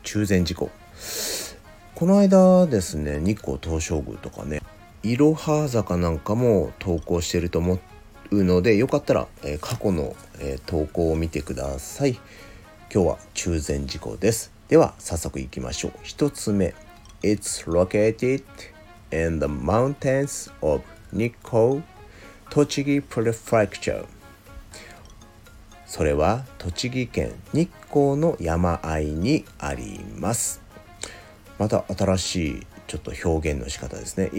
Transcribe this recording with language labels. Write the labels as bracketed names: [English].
[Japanese] 中禅寺湖、この間ですね、日光東照宮とかね、いろは坂なんかも投稿してると思うので、よかったら、過去の、投稿を見てください。今日は中禅寺湖です。では早速いきましょう。 1つ目、 [English] It's locatedIn the mountains of Nikko, Tochigi Prefecture. [Japanese] それは栃木県日光の山あいにあります。また新しいちょっと表現の仕方ですね。